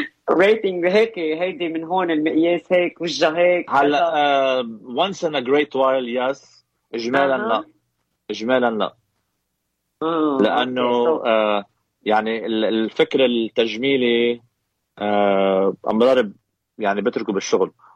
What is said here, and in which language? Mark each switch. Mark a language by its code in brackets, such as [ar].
[ar] Rating هيك هيدي من هون المقياس هيك وجه هيك. هلا [en] once in a great while yes. [ar] اجمالا لا. اجمالا لا. لانه يعني الفكر التجميلي امرار يعني بتركه بالشغل.